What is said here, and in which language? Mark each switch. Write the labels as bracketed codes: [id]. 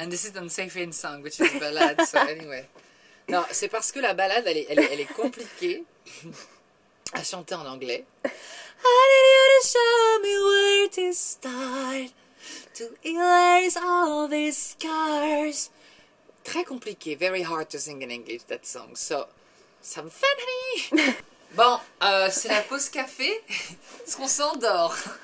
[en] And this is on Safe and Sound, which is a ballad, so anyway. [fr] Non, c'est parce que la ballade, elle est compliquée à chanter en anglais. [en] I need you to show me where to start to erase all these scars. [fr] Très compliqué, [en] very hard to sing in English, that song. So, some funny. [fr] Bon, c'est la pause café, parce qu'on s'endort.